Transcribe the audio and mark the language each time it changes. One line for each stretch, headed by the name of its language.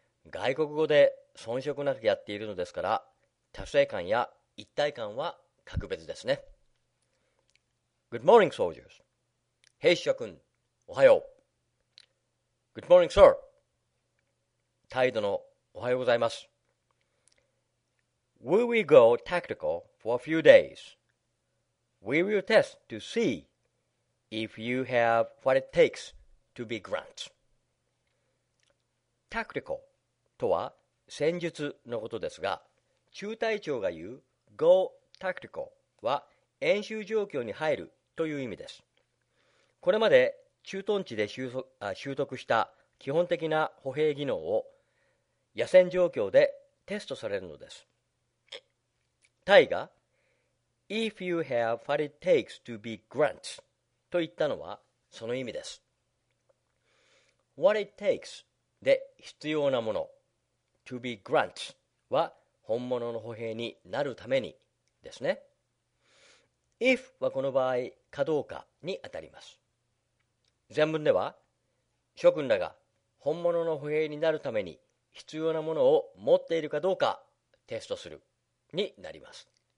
Japanese: 外国語で遜色なくやっているのですから、達成感や一体感は格別ですね。
English: Good morning, soldiers.
Japanese: 兵士諸君、おはよう。
English: Good morning, sir.
Japanese: 態度のおはようございます。
English: We will go tactical for a few days. We will test to see if you have what it takes to be grunt.
Japanese: Tactical とは戦術のことですが、中隊長が言う go tactical は演習状況に入るという意味です。これまで駐屯地で習得した基本的な歩兵技能を野戦状況でテストされるのです。タイが
English: If you have what it takes to be grunt
Japanese: と言ったのはその意味です。
English: What it takes
Japanese: で必要なもの、
English: to be grunt
Japanese: は本物の歩兵になるためにですね。 If はこの場合かどうかにあたります。全文では諸君らが本物の歩兵になるために必要なものを持っているかどうかテストするになります。